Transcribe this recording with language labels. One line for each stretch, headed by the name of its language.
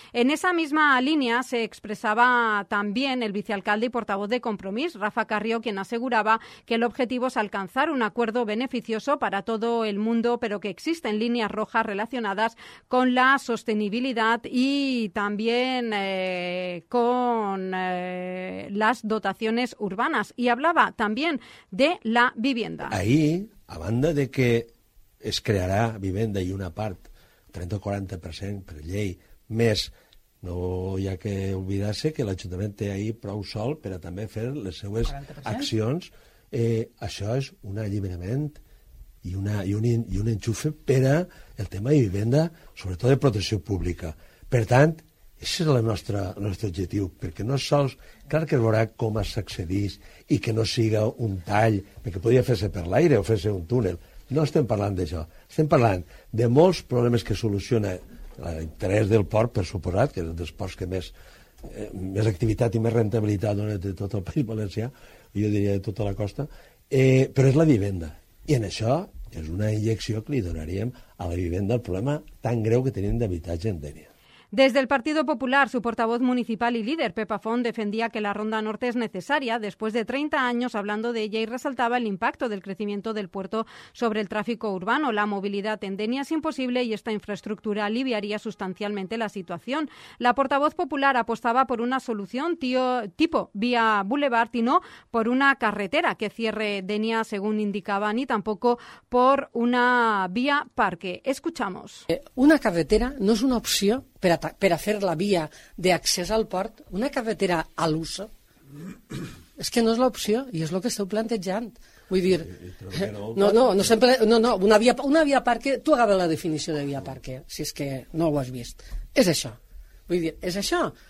Spanish: En esa misma línea se expresaba también el vicealcalde y portavoz de Compromís, Rafa Carrió, quien aseguraba que el objetivo es alcanzar un acuerdo beneficioso para todo el mundo, pero que existen líneas rojas relacionadas con la sostenibilidad y también con las dotaciones urbanas. Y hablaba también de la vivienda.
Catalan: Ahí, a banda de que es crearà vivenda i una part, 30-40% per llei, més, no hi ha que oblidar-se que l'Ajuntament té ahí prou sol per a també fer les seues 40%? Accions. Això és un alliberament i un enxufe per a el tema de vivenda, sobretot de protecció pública. Per tant, això és el nostre objectiu, perquè no sols, clar que es veurà com s'accedís i que no siga un tall, perquè podria fer-se per l'aire o fer-se un túnel. No estem parlant d'això. Estem parlant de molts problemes que soluciona l'interès del port, per suposat, que és un dels ports que més activitat i més rentabilitat dona de tot el País Valencià, jo diria de tota la costa, però és la vivenda. I en això és una injecció que li donaríem a la vivenda el problema tan greu que tenim d'habitatge en Dénia.
Spanish: Desde el Partido Popular, su portavoz municipal y líder, Pepa Font, defendía que la Ronda Norte es necesaria después de 30 años hablando de ella y resaltaba el impacto del crecimiento del puerto sobre el tráfico urbano. La movilidad en Denia es imposible y esta infraestructura aliviaría sustancialmente la situación. La portavoz popular apostaba por una solución tipo vía boulevard y no por una carretera que cierre Denia, según indicaba, ni tampoco por una vía parque. Escuchamos. Una carretera no es una opción.
Catalan: Per a fer la via d'accés al port, una carretera a l'ús, és que no és l'opció i és el que esteu plantejant. Vull dir, no, una via parque, tu agafa la definició de via parque, si és que no ho has vist. És això. Vull dir, és això.